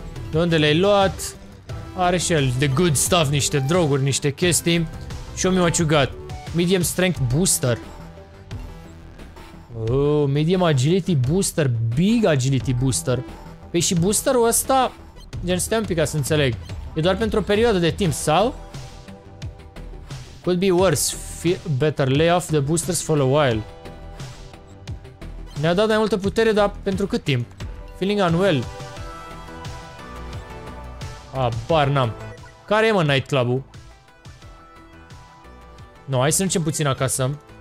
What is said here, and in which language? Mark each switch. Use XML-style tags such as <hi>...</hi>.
<ro>De unde le-ai luat? Are și el</ro> <en>the good stuff,</en> <ro>niște droguri, niște chestii. Și eu mi-am ciugat.</ro> <en>Medium strength booster. Oh, medium agility booster, big agility booster.</en> <ro>Păi și boosterul ăsta, gen, stai un pic ca să înțeleg. E doar pentru o perioadă de timp, sau?</ro> <en>Could be worse, better lay off the boosters for a while.</en> <ro>Ne-a dat mai multă putere, dar pentru cât timp?</ro> <en>Feeling unwell.</en> <ro>Abar n-am. Care e, mă, nightclub-ul? No, hai să mergem puțin acasă.</ro>